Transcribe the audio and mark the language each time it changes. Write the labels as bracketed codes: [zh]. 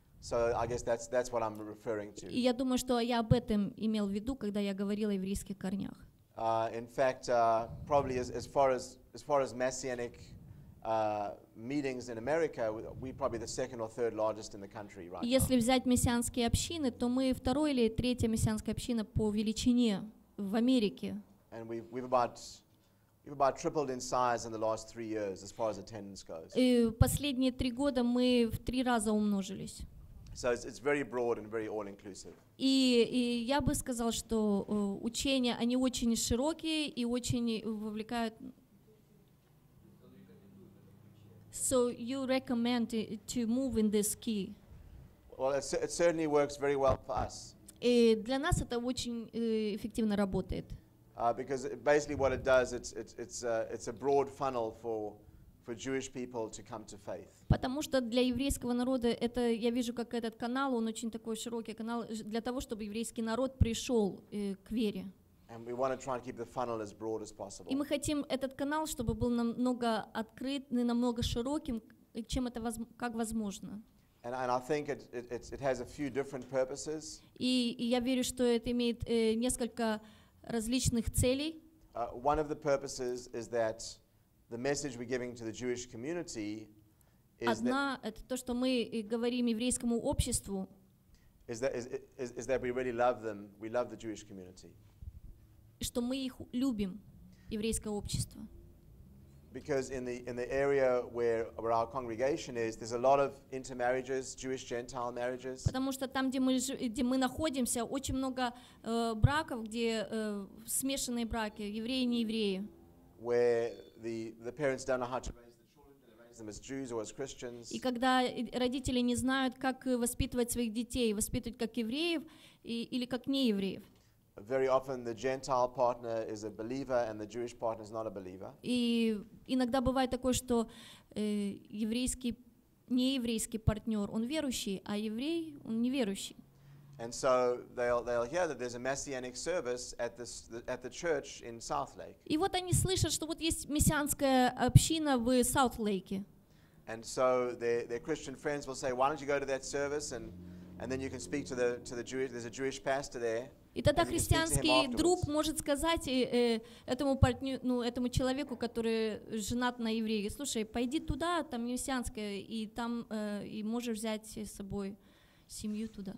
[en] So I guess that's what I'm referring to. [ru] И я думаю, что я об этом имел в виду, когда я говорил о еврейских корнях. [en] In fact, probably as far as Messianic meetings in America, we probably the second or third largest in the country right now. [ru] Если взять мессианские общины, то мы второй или третья мессианская община по величине в Америке. [en] And we've about tripled in size in the last 3 years as far as attendance goes. [ru] Последние 3 года мы в 3 раза умножились. [en] So it's very broad and very all-inclusive. [ru] И я бы сказал, что учения, они очень широкие и очень вовлекают. [en] So you recommend to move in this key? Well, it certainly works very well for us. [ru] И для нас это очень эффективно работает. [en] Because basically what it does, it's a broad funnel for Jewish people to come to faith. [ru] Потому что для еврейского народа это я вижу как этот канал, он очень такой широкий канал для того, чтобы еврейский народ пришел к вере. [en] And we want to try and keep the funnel as broad as possible. [ru] И мы хотим этот канал, чтобы был намного открыт, намного широким, чем это как возможно. [en] And I think it has a few different purposes. [ru] И я верю, что это имеет несколько различных целей. [en] One of the purposes is that the message we're giving to the Jewish community is [ru] одна это то, что мы говорим еврейскому обществу. [en] Is that we really love them? We love the Jewish community. [ru] Что мы их любим, еврейское общество. [en] Because in the area where our congregation is, there's a lot of intermarriages, Jewish Gentile marriages. [ru] Потому что там, где мы находимся, очень много браков, где смешанные браки, евреи не евреи. [en] Where the parents don't know how to raise the children, they raise them as Jews or as Christians. [ru] И когда родители не знают, как воспитывать своих детей, воспитывать как евреев или как неевреев. [en] Very often the Gentile partner is a believer and the Jewish partner is not a believer. [ru] И иногда бывает такое, что нееврейский партнер, он верующий, а еврей, он неверующий. [en] And so they'll hear that there's a messianic service at the church in South Lake. [ru] И вот они слышат, что вот есть мессианская община в South Lake. [en] And so their Christian friends will say, why don't you go to that service and then you can speak to the Jewish, there's a Jewish pastor there. [ru] И тогда христианский друг может сказать этому человеку, который женат на еврее, слушай, пойди туда, там мессианское, и там и можешь взять с собой семью туда.